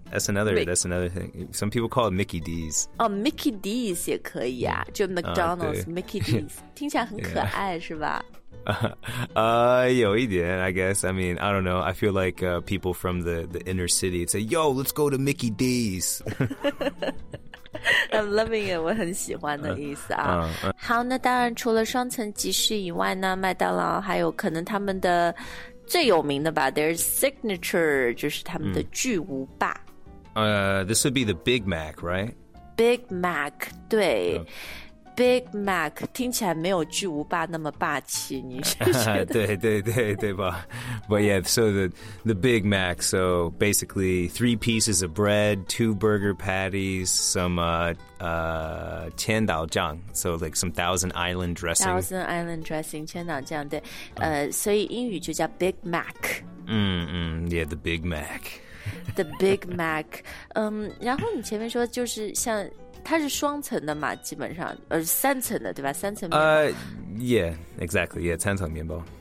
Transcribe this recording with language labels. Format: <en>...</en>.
<en>That's another thing. Some people call it Mickey D's.</en> <zh>Oh, Mickey D's 也可以啊，就 McDonald's Mickey D's， 听起来很可爱，</zh> <en>yeah.</en> <zh>是吧？有一点</zh> <en>I guess I mean I don't know I feel like people from the inner city say yo let's go to Mickey D's I'm loving it</en> <zh>我很喜欢的意思啊。好那当然除了双层集市以外呢麦当劳还有可能他们的最有名的吧</zh> <en>their signature</en> <zh>就是他们的巨无霸、</zh> <en>This would be the Big Mac right</en> <zh>Big Mac 对、okayBig Mac 听起来没有巨无霸那么霸气，你是觉得？对吧</zh> <en>？But yeah, so the Big Mac. So basically, three pieces of bread, two burger patties, some Qian Dao Zhang. So like some Thousand Island dressing. Thousand Island dressing, Qian Dao Zhang.</en> <zh>对，所以英语就叫 Big Mac.</zh> <en>Yeah, the Big Mac. The Big Mac.</en> <zh>然后你前面说就是像。它是双层的嘛，基本上，三层的，对吧？三层面包。</zh> <en>Yeah, exactly. Yeah,</en> <zh>三层面包。</zh>